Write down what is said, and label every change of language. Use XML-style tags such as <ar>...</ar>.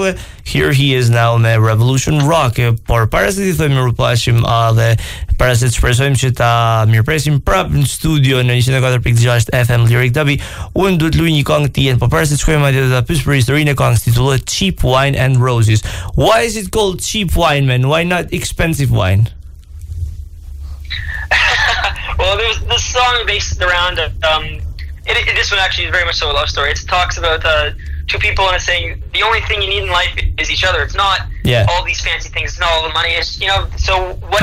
<sq>Edhe</sq> <en>here he is now</en> <sq>me revolution rock. Por para se t'i thojmë mirupashim, dhe para se t'shpresojmë që ta mirpresim prapë në studio në 104.6 FM Lyric Dubby, unë du t'luj një këngë tjetër. Por para se t'shkojmë atje, ta pyes për historinë e këngës, titullohet Cheap Wine and Roses.</sq> <en>Why is it called cheap wine, man? Why not expensive wine? Well, there's this song based around this one actually is very much so a love story. It talks about two people and it's saying the only thing you need in life is each other. It's not all these fancy things. It's not all the money. It's, you know, so what?</en>